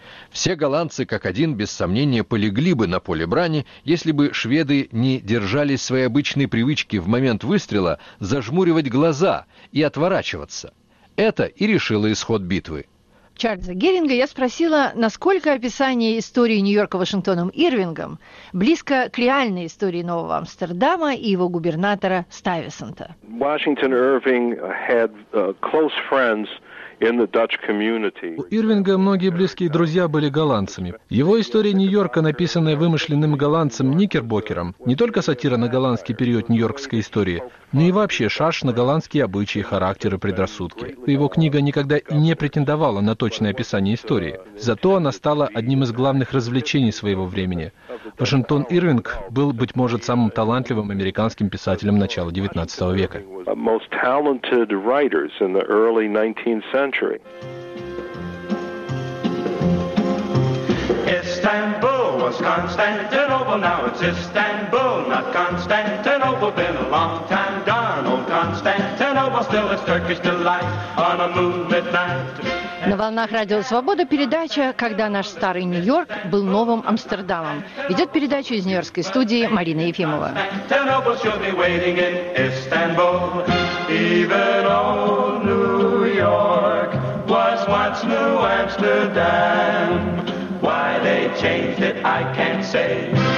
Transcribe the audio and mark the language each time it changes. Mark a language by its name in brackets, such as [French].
[Russian] Все голландцы, как один, без сомнения, полегли бы на поле брани, если бы шведы не держали своей обычной привычки в момент выстрела зажмуривать глаза и отворачиваться. Это и решило исход битвы. Чарльза Геринга я спросила, насколько описание истории Нью-Йорка Вашингтоном Ирвингом близко к реальной истории Нового Амстердама и его губернатора Стайвисонта. [English] Вашингтон Ирвинг had close friends. [Russian] У Ирвинга многие близкие друзья были голландцами. Его история Нью-Йорка, написанная вымышленным голландцем Никербокером, не только сатира на голландский период нью-йоркской истории, но и вообще шарж на голландские обычаи, характер и предрассудки. Его книга никогда и не претендовала на точное описание истории. Зато она стала одним из главных развлечений своего времени. Вашингтон Ирвинг был, быть может, самым талантливым американским писателем начала 19 века. [English] Istanbul was Constantinople, now it's Istanbul, not Constantinople. Been a long time gone, old Constantinople, still is Turkish delight on a moonlit night. [Russian] На волнах Радио Свобода передача «Когда наш старый Нью-Йорк был новым Амстердамом». Ведет передачу из нью-йоркской студии Марина Ефимова.